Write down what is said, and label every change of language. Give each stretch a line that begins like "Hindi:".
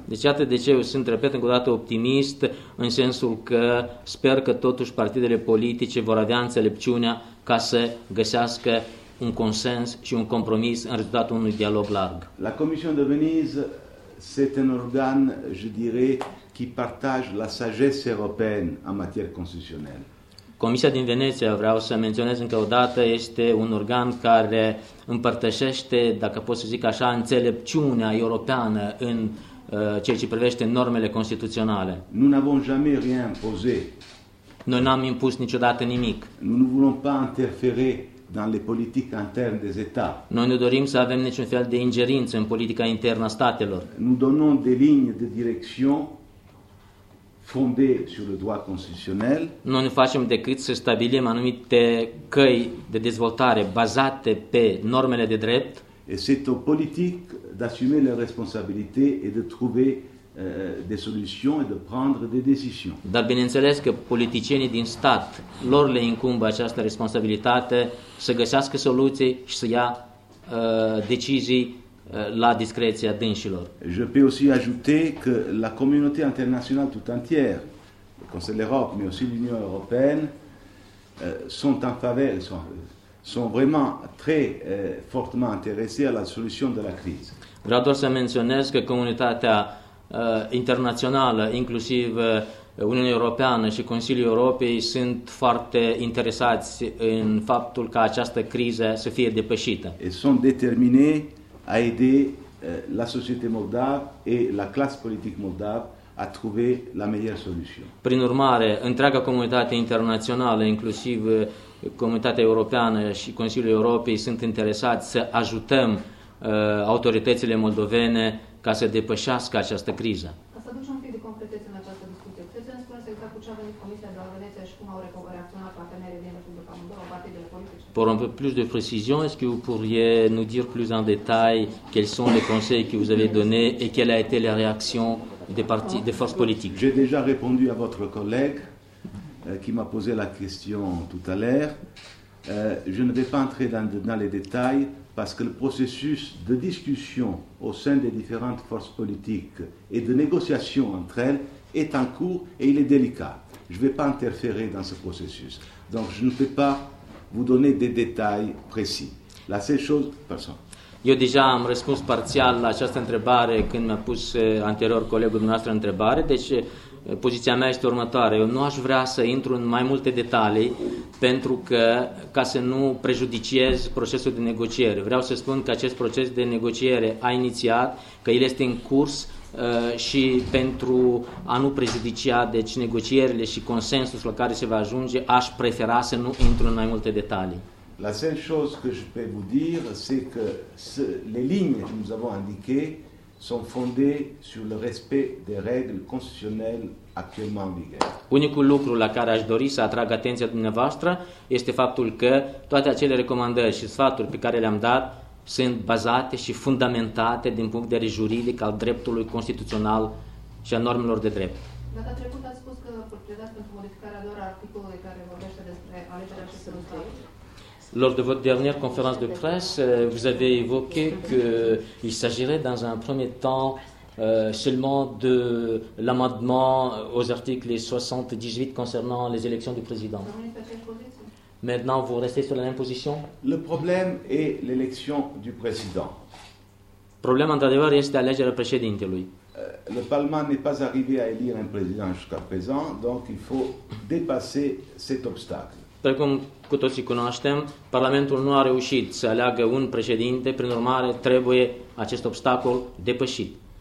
Romanian: Deci iată de ce eu sunt, repet încă o dată, optimist, în sensul că sper că totuși partidele politice vor avea înțelepciunea ca să găsească un consens și un compromis în rezultatul unui dialog larg.
French: La Commission de Venise, c'est un organ, je dirais, qui partage la sagesse européenne en matière constitutionnelle.
Romanian: Comisia din Veneția, vreau să menționez încă o dată, este un organ care împărtășește, dacă pot să zic așa, înțelepciunea europeană în ceea ce privește normele constituționale.
French: Nous n'avons jamais rien imposé.
Romanian: Noi n-am impus niciodată nimic.
French: Nous ne voulons pas interférer dans les politiques internes des États.
Romanian: Noi nu dorim să avem niciun fel de ingerință în politica internă a statelor.
French: Nous donnons des lignes de direction fondée sur le droit constitutionnel.
Romanian: Noi nu facem decât să stabilim anumite căi de dezvoltare bazate pe normele de drept.
French: Et c'est aux politiques d'assumer leurs responsabilités et de trouver des solutions et de prendre des décisions.
Romanian: Dar bineînțeles că politicienii din stat, lor le incumbă această responsabilitate să găsească soluții și să ia decizii la discreția dânșilor.
French: Je peux aussi ajouter que la communauté internationale tout entière, le Conseil de l'Europe mais aussi l'Union européenne sont en faveur, sont vraiment très fortement intéressés à la solution de la crise.
Romanian: Vreau doar să menționez că comunitatea internațională, inclusiv Uniunea Europeană și Consiliul Europei, sunt foarte interesați în faptul ca această criză să fie depășită.
French: Et sont déterminés à aider la société moldave et la classe politique moldave à trouver la meilleure solution.
Romanian: Prin urmare, întreaga comunitate internațională, inclusiv comunitatea europeană și Consiliul Europei, sunt interesați să ajutăm autoritățile moldovene ca să depășească această criză. Ca să aducem un pic de concretețe în această discuție, puteți să ne spuneți exact cu ce a venit Comisia de la Veneția și cum au reacționat partenerii din Republica Moldova, partidele politice?
French: Pour un peu plus de précision, est-ce que vous pourriez nous dire plus en détail quels sont les conseils que vous avez donnés et quelle a été la réaction des partis, des forces politiques? J'ai déjà répondu à votre collègue qui m'a posé la question tout à l'heure. Je ne vais pas entrer dans les détails parce que le processus de discussion au sein des différentes forces politiques et de négociation entre elles est en cours et il est délicat. Je ne vais pas interférer dans ce processus. Donc je ne peux pas vous donner des détails précis. La seule chose, personne.
Romanian: Eu deja am răspuns parțial la această întrebare când mi-a pus anterior colegul dumneavoastră întrebare, deci poziția mea este următoare. Eu nu aș vrea să intru în mai multe detalii pentru că, ca să nu prejudiciez procesul de negociere. Vreau să spun că acest proces de negociere a inițiat, că el este în curs și pentru a nu prejudicia, deci, negocierile și consensul la care se va ajunge, aș prefera să nu intru în mai multe detalii.
French: La seule chose que je peux vous dire, c'est que les lignes que nous avons indiquées sont fondées sur le respect des règles constitutionnelles actuellement en vigueur.
Romanian: Unicul lucru la care aș dori să atrag atenția dumneavoastră este faptul că toate acele recomandări și sfaturi pe care le-am dat sunt bazate și fundamentate din punct de vedere juridic al dreptului constituțional și a normelor de drept. Data trecută ați spus că procedați pentru modificarea doar articolului care vorbește despre alegerea și sărutării.
French: Lors de votre dernière conférence de presse, vous avez évoqué qu'il s'agirait dans un premier temps seulement de l'amendement aux articles 78 concernant les élections du président. Maintenant, vous restez sur la même position? Le problème est l'élection du président. Le problème, en adevăr, est l'élection du président. Le Parlement n'est pas arrivé à élire un président jusqu'à présent, donc il faut dépasser cet obstacle.
Romanian: Precum cu toții cunoaștem, Parlamentul nu a reușit să aleagă un președinte, prin urmare trebuie acest obstacol depășit.